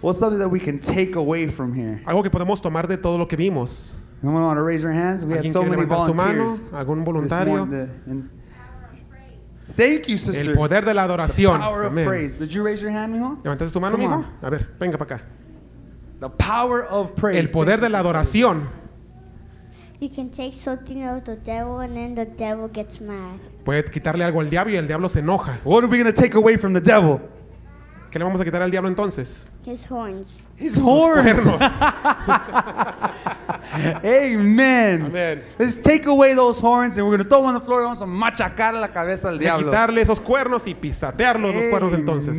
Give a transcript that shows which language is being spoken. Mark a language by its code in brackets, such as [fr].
[en] What's something that we can take away from here? [es] Algo que podemos tomar de todo lo que vimos. [en] Anyone want to raise your hands? We have so many volunteers. [es] ¿Algún voluntario? [en] Thank you, sister. [es] El poder de la adoración. [en] The power of praise. Did you raise your hand, mijo? [es] ¿Levantaste tu mano, mijo? A ver, venga para acá. [en] The power of praise. [es] El poder de la adoración. [en] You can take something out of the devil and then the devil gets mad. [es] Puede quitarle algo al diablo y el diablo se enoja. [en] What are we going to take away from the devil? [es] ¿Qué le vamos a quitar al diablo entonces? [en] His horns. His horns. Amen. Amen. Let's take away those horns and we're going to throw them on the floor and we're going to [es] machacar la cabeza al diablo. Y quitarle esos cuernos y pisatearlos los cuernos entonces.